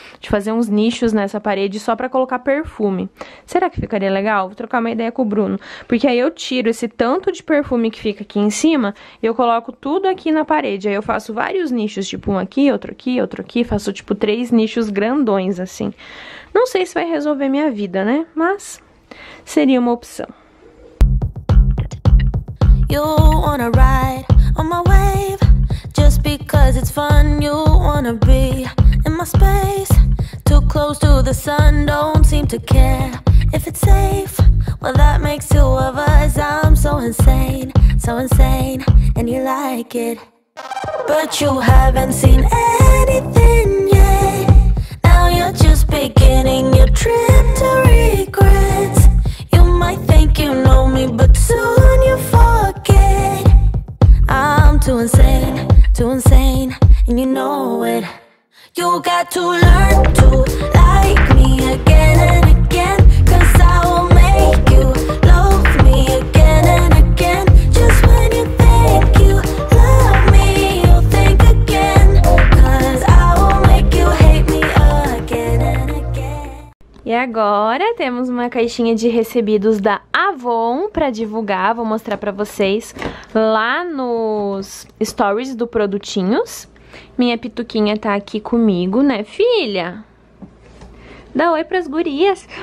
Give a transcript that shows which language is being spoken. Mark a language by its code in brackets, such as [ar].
[pt] De fazer uns nichos nessa parede só pra colocar perfume. Será que ficaria legal? Vou trocar uma ideia com o Bruno. Porque aí eu tiro esse tanto de perfume que fica aqui em cima e eu coloco tudo aqui na parede. Aí eu faço vários nichos, tipo um aqui, outro aqui, outro aqui. Faço, tipo, três nichos grandões, assim. Não sei se vai resolver minha vida, né? Mas seria uma opção. [en] You wanna ride on my wave, just because it's fun. You wanna be in my space, too close to the sun. Don't seem to care if it's safe. Well, that makes two of us. I'm so insane, and you like it. But you haven't seen anything yet. Now you're just beginning your trip to regrets. You might think you know me, but soon you forget. I'm too insane, and you know it. You got to learn to like me again and again, 'cause I will make you love me again and again. Just when you think you love me, you'll think again, 'cause I will make you hate me again and again. [pt] E agora temos uma caixinha de recebidos da Avon para divulgar, vou mostrar para vocês lá nos stories do Produtinhos. Minha pituquinha tá aqui comigo, né, filha? Dá oi pras gurias.